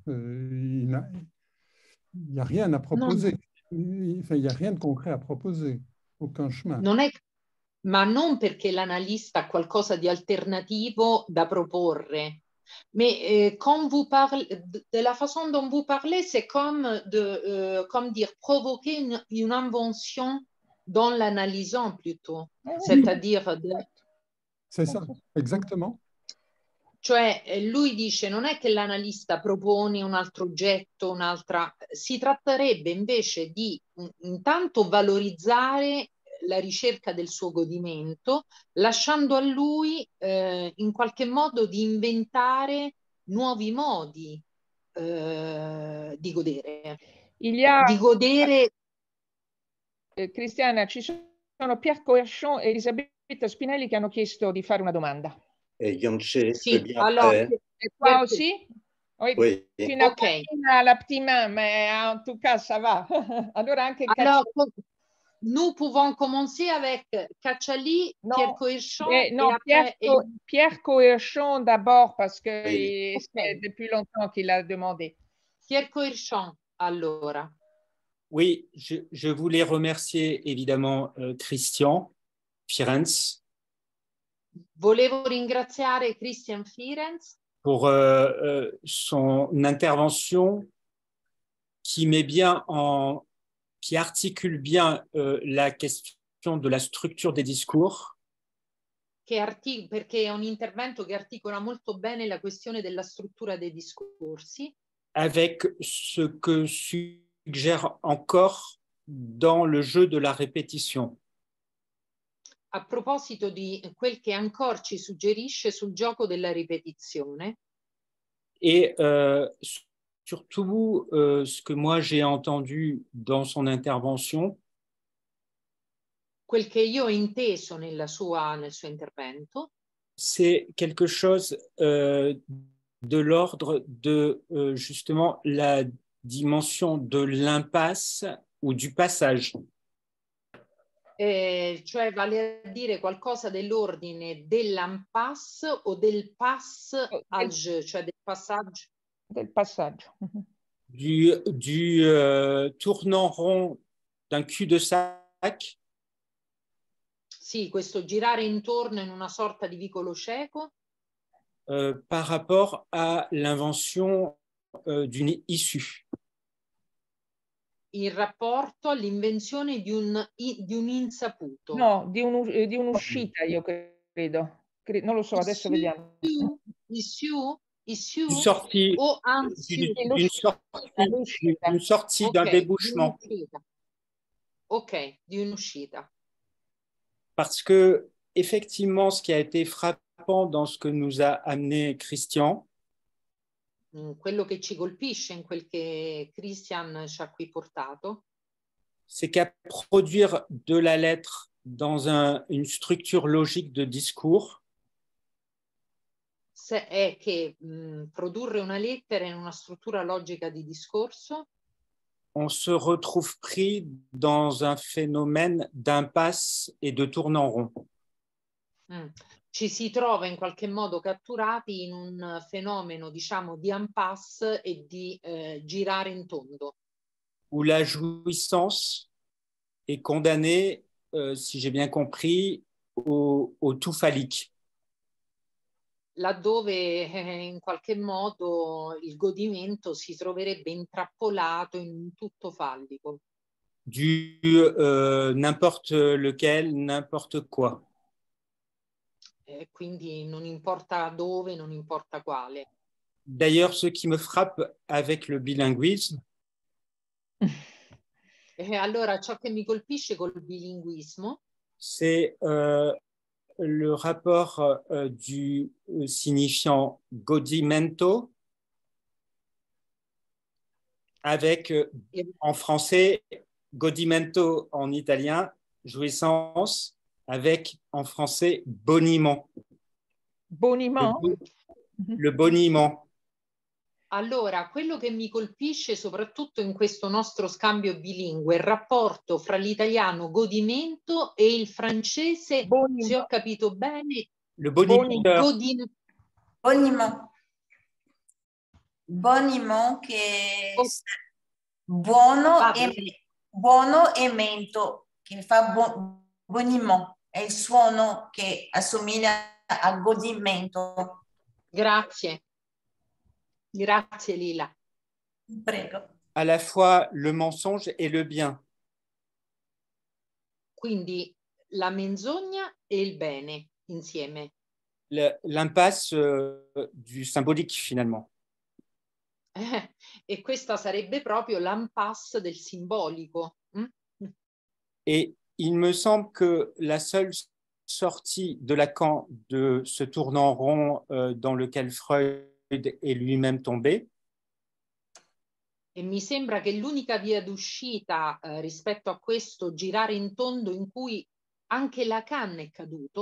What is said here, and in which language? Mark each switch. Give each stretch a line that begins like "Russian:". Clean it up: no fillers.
French: Il n'y a rien à proposer. Non. Enfin, il n'y a rien de concret à proposer, aucun chemin. Non est...
Italian: ma non perché l'analista ha qualcosa di alternativo da proporre.
French: Mais quand vous parlez, de la façon dont vous parlez, c'est comme de comme dire, provoquer une invention dans l'analysant plutôt. Oui. C'est-à-dire. De... C'est ça, exactement.
Italian: Cioè, lui dice, non è che l'analista propone un altro oggetto, un'altra. Si tratterebbe invece di intanto valorizzare la ricerca del suo godimento, lasciando a lui in qualche modo di inventare nuovi modi di godere. Ilia... Di godere. Cristiana, ci sono Pierre Coerchon e Elisabetta Spinelli che hanno chiesto di fare una domanda. Yonche, sì, allora, è qua
French: aussi? Oui. Oui. Fino ok. A la petite main, ma en tout cas, ça va.
Italian: Allora, anche allora,
French: nous pouvons commencer avec Cacciali, non. Pierre Coerchon. Non, Pierre Coerchon d'abord, parce que oui. C'est depuis longtemps qu'il a demandé.
Italian: Pierre Coerchon, allora.
French: Oui, je voulais remercier évidemment Christian Firenze.
Italian: Volevo ringraziare Christian Firenze
French: pour son intervention qui met bien en. Qui articule bien la question de la structure des discours.
Italian: Perché è un intervento che articola molto bene la questione della struttura dei discorsi.
French: Avec ce que suggère encore dans le jeu de la répétition.
Italian: A proposito di quel che ancora ci suggerisce sul gioco della ripetizione.
French: Et. Surtout ce que moi j'ai entendu dans son intervention.
Italian: Quel che io ho inteso nella sua, nel suo intervento.
French: C'est quelque chose de l'ordre de justement la dimension de l'impasse ou du passage.
Italian: Cioè vale a dire qualcosa dell'ordine dell'impasse o del passage, cioè del passaggio. Del passaggio.
French: Du tournant rond d'un cul de sac.
Italian: Sì, questo girare intorno in una sorta di vicolo cieco.
French: Par rapport à l'invention d'une issue.
Italian: In rapporto all'invenzione di un insaputo. No, di un'uscita, io credo. Non lo so, adesso issue, vediamo.
French: Issue? Une sortie, une sortie okay, d'un débouchement. Ok, d'une uscita. Parce que, effectivement, ce qui a été frappant dans ce que nous a amené Christian,
Italian: quello che ci colpisce in quel che Christian ci ha qui portato,
French: c'est qu'à produire de la lettre dans une structure logique de discours,
Italian: è che produrre una lettera in una struttura logica di discorso
French: on se retrouve pris dans un phénomène d'impasse et de tournant rond.
Italian: Ci si trova in qualche modo catturati in un fenomeno, diciamo, di impasse e di girare in tondo.
French: Où la jouissance est condamnée, si j'ai bien compris, au tout phallique.
Italian: Laddove in qualche modo il godimento si troverebbe intrappolato in tutto fallico.
French: Du n'importe lequel, n'importe quoi.
Italian: Quindi non importa dove, non importa quale.
French: D'ailleurs, ce qui me frappe avec le bilinguisme.
Italian: Allora, ciò che mi colpisce col bilinguismo.
French: C'est. Le rapport du signifiant godimento avec, en français, godimento en italien, jouissance, avec, en français, boniment. Boniment. Le boniment.
Italian: Allora, quello che mi colpisce soprattutto in questo nostro scambio bilingue, il rapporto fra l'italiano godimento e il francese, boniment. Se ho capito bene,
French: le boniment. Boniment.
Italian: Boniment che buono e mento, che fa boniment. è il suono che assomiglia al godimento. Grazie. Grazie, Lila. Prego.
French: À la fois le mensonge et le bien.
Italian: Quindi la menzogna e il bene insieme.
French: L'impasse du symbolique, finalement.
Italian: E questa sarebbe proprio l'impasse del simbolico.
French: Et il me semble que la seule sortie de Lacan de ce tournant rond dans lequel Freud est lui-même tombé.
Italian: E mi sembra che l'unica via d'uscita rispetto a questo girare in tondo in cui anche Lacan è caduto.